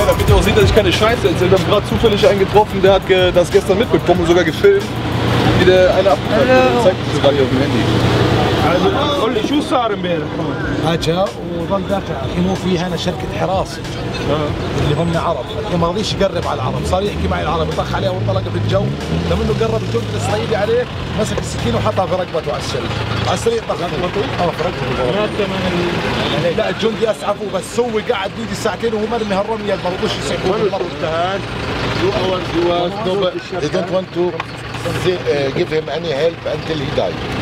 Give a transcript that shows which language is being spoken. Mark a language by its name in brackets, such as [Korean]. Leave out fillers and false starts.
[German] man sieht, dass ich keine Scheiße erzähle. Wir haben gerade zufällig einen getroffen, der hat das gestern mitbekommen und sogar gefilmt, wie der eine abgehört hat. Der zeigt es gerade hier auf dem Handy. Also, soll ich Schuss haben, Bär? Hat ja. [Arabic] وظن ذاك يمو فيه أنا شركة حراس اللي هم عرب ما رضيش يقرب على العرب صار يحكي معي العرب يطخ عليه وانطلق في الجو لما انه قرب الجو الإسرائيلي عليه مسك السكين وحطها في رقبته على السريع طخ لا الجندي أسعفه بس هو قاعد بيدي ساعتين وهو مرمي هالرمية ما رضوش يسعفه [English] They don't want to give him any help until he died.